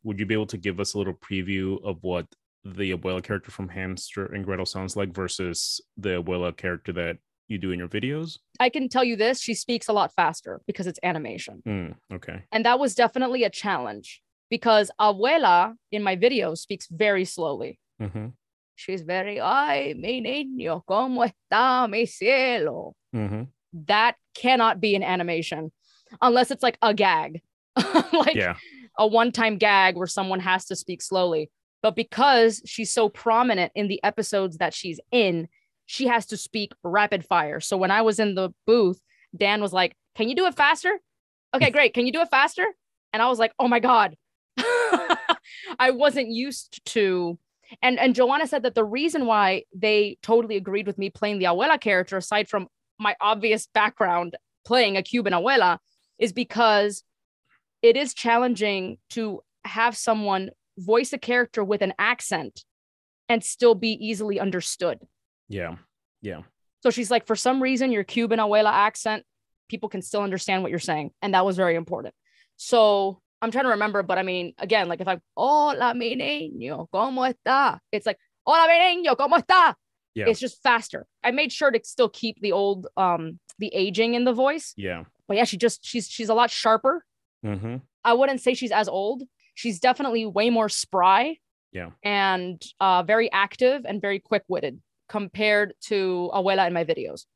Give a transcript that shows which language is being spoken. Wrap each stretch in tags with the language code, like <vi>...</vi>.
<en>Would you be able to give us a little preview of what the abuela character from Hamster and Gretel sounds like versus the abuela character that you do in your videos? I can tell you this, she speaks a lot faster because it's animation. Okay. And that was definitely a challenge because abuela in my videos speaks very slowly. Mm-hmm. She's very,</en> <es>ay, mi niño, ¿cómo está mi cielo?</es> <en>Mm-hmm. That cannot be an animation unless it's like a gag, like yeah. a one-time gag where someone has to speak slowly. But because she's so prominent in the episodes that she's in, she has to speak rapid fire. So when I was in the booth, Dan was like, can you do it faster? Okay, great. Can you do it faster? And I was like, oh my God, I wasn't used to. And Joanna said that the reason why they totally agreed with me playing the abuela character, aside from my obvious background playing a Cuban abuela, is because it is challenging to have someone voice a character with an accent and still be easily understood. Yeah. Yeah. So she's like, for some reason, your Cuban abuela accent, people can still understand what you're saying. And that was very important. So I'm trying to remember, but I mean, again, like if I'm,</en> <es>hola mi niño, ¿cómo está?</es> <en>It's like,</en> <es>hola mi niño, ¿cómo está?</es> <en>Yeah. It's just faster. I made sure to still keep the old, the aging in the voice. Yeah. But yeah, she's a lot sharper. Mm-hmm. I wouldn't say she's as old. She's definitely way more spry. Yeah. And very active and very quick-witted compared to abuela in my videos.</en>